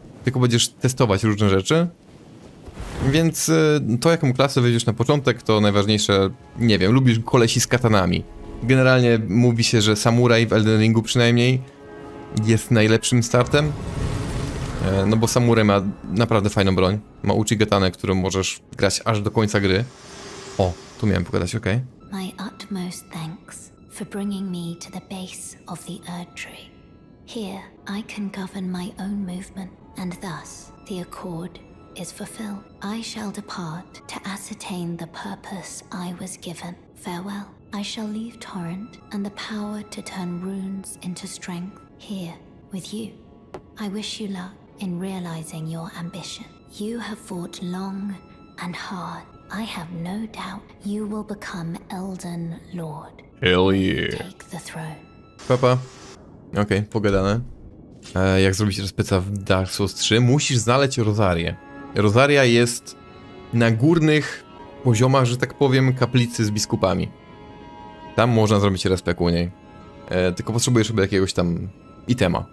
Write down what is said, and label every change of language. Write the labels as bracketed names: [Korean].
[Polish] Tylko będziesz testować różne rzeczy. Więc to jaką klasę weźmiesz na początek to najważniejsze, nie wiem, lubisz kolesi z katanami. Generalnie mówi się, że samuraj w Elden Ringu przynajmniej jest najlepszym startem. No bo samuraj ma naprawdę fajną broń. Ma uchigatanę, którą możesz grać aż do końca gry. O, tu miałem pogadać, okej. [English] My utmost thanks for bringing me to the base of the Erdtree. Here I can govern my own movement and thus the accord is fulfilled. I shall depart to ascertain the purpose I was given. Farewell. I shall leave Torrent and the power to turn runes into strength here with you. I wish you luck in realizing your ambition. You have fought long and hard. I have no doubt you will become Elden Lord. Hell yeah. Take the throne. [Polish] Papa. Okej, pogadane. Jak zrobić rozpyca w Dark Souls 3? Musisz znaleźć Rosarię. Rosaria jest na górnych poziomach, że tak powiem, kaplicy z biskupami. Tam można zrobić respekt u niej. Tylko potrzebujesz sobie jakiegoś tam itema.